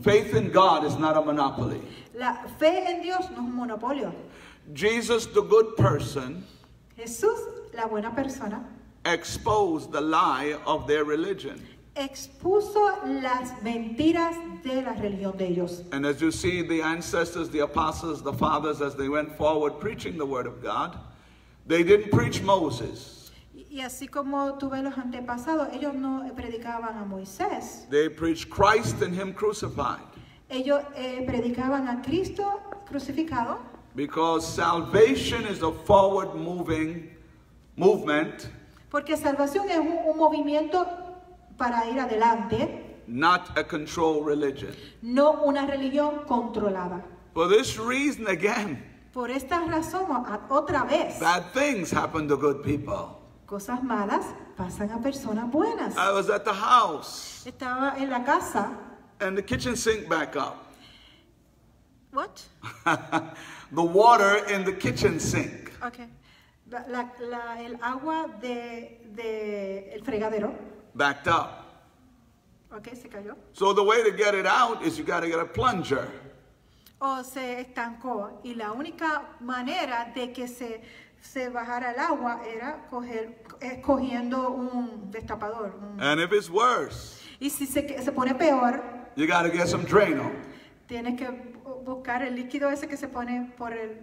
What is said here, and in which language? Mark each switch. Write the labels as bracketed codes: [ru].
[en] faith in God is not a monopoly. [es] La fe en Dios no es un monopolio. [en] Jesus, the good person, [es] Jesús, la buena persona, [en] exposed the lie of their religion. [es] Expuso las mentiras de la religión de ellos. [en] And as you see, the ancestors, the apostles, the fathers, as they went forward preaching the word of God, they didn't preach Moses. [es] Y así como tuve los antepasados, ellos no predicaban a Moisés. [en] They preached Christ and him crucified. [es] Ellos predicaban a Cristo crucificado. [en] Because salvation is a forward moving movement. [es] Porque salvación es un movimiento para ir adelante. [en] Not a controlled religion. [es] No una religión controlada. [en] For this reason again. [es] Por esta razón otra vez. [en] Bad things happen to good people. [es] Cosas malas pasan a personas buenas. [en] I was at the house. [es] Estaba en la casa. [en] And the kitchen sink back up. What? The water in the kitchen sink. [es] Okay. El agua de el fregadero. [en] Backed up. [es] Okay, se cayó. [en] So the way to get it out is you got to get a plunger. [es] Oh, se estancó. Y la única manera de que se bajara el agua era cogiendo un destapador. [en] And if it's worse. [es] Y si se pone peor. [en] You got to get some Drano. [es] Tienes que buscar el líquido ese que se pone por el.